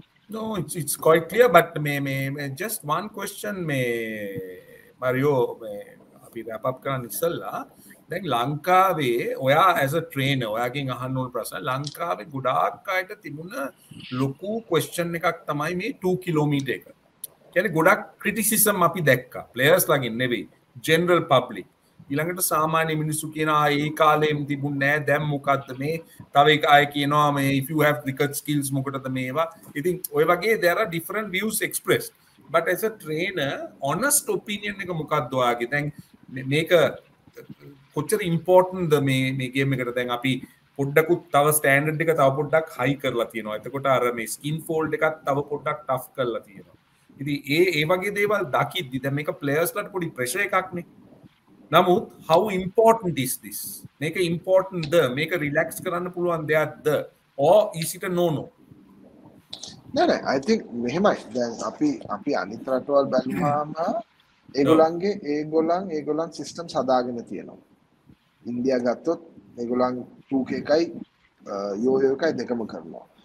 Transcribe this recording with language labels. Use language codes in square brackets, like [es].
[en] No, it's quite clear, but may just one question may [si] Mario අපි wrap up කරන්න ඉස්සලා දැන් ලංකාවේ ඔයා as a trainer ඔයාගෙන් අහන්න ඕන ප්‍රශ්න ලංකාවේ ගොඩාක් අයට තිබුණ ලොකු question එකක් තමයි මේ 2 km එක. කියන්නේ ගොඩක් ක්‍රිටිසිසම් අපි දැක්කා ප්ලේයර්ස් ලගින් නෙවෙයි, ජෙනරල් පබ්ලික්. ඊළඟට සාමාන්‍ය මිනිස්සු කියනවා ඒ කාලේම තිබුණ නෑ, දැන් මොකද්ද මේ? තව එක අය කියනවා මේ [en] if you have cricket skills [si] මොකටද මේවා? ඉතින් ඔය වගේ [en] there are different views expressed, but as a trainer [si] honest opinion එක මොකද්ද ඔයාගේ? දැන් මේක කොච්චර ඉම්පෝර්ටන්ට්ද මේ මේ ගේම් එකට? දැන් අපි පොඩ්ඩකුත් තව ස්ටෑන්ඩඩ් එක තව පොඩ්ඩක් හයි කරලා තියෙනවා. එතකොට අර මේ ස්කින් ෆෝල්ඩ් එකත් තව පොඩ්ඩක් ටෆ් කරලා තියෙනවා. ඉතින් ඒ වගේ දේවල් දකිද්දි දැන් මේක ප්ලේයර්ස්ලට පොඩි ප්‍රෙෂර් එකක් නේ. [en] නමුත් how important is this? [si] මේක important ද? මේක රිලැක්ස් කරන්න පුළුවන් දෙයක්ද? [en] Or is it a no-no? [si] නෑ, [en] I think [si] මෙහෙමයි. දැන් අපි අනිත් රටවල් බලපුවාම ඒගොල්ලන්ගේ ඒගොල්ලන් සිස්ටම්ස් හදාගෙන තියෙනවා. ඉන්දියා ගත්තොත් ඒගොල්ලන් 2k එකයි යෝයෝ එකයි දෙකම කරනවා.